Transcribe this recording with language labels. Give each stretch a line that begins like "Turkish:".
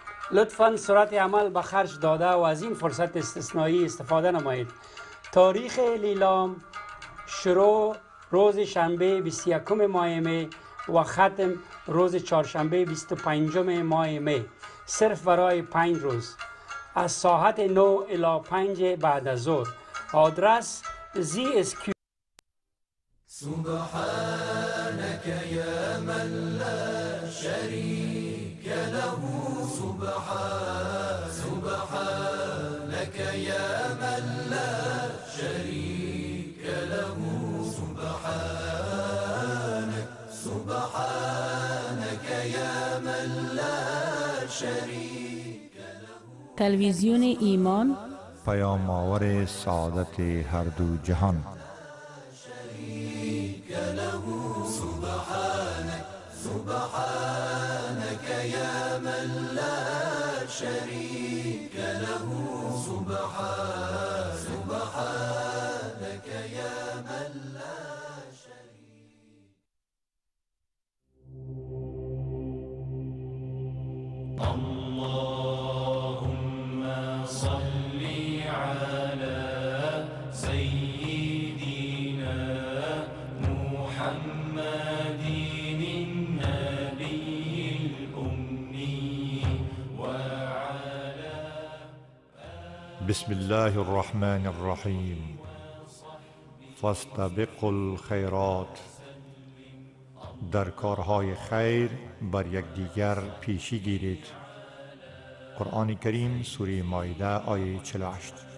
Persian: لطفاً صورت عمل به خرج داده و از این فرصت استثنایی استفاده نمایید تاریخ لیلام شروع روز شنبه 21 ماه می و ختم روز چهارشنبه 25 ماه می صرف برای 5 روز از ساعت 9 الی 5 بعد از ظهر آدرس زی اس کیو
Arabic: سبحانك یا من لا شریک له سبحانك یا من لا شریک له سبحانك يا من لا شريك له
Persian: تلویزیون ایمان پیام آور سعادت هر دو جهان
Arabic: شريك له سبحانك يا من لا شريك له سبحانك يا من لا اللهم صل على سيدنا محمد النبي الأمي وعلى بسم الله الرحمن الرحيم فاستبقوا الخيرات
Persian: در کارهای خیر بر یک دیگر پیشی گیرید. قرآن کریم سوره مائده آیه 48.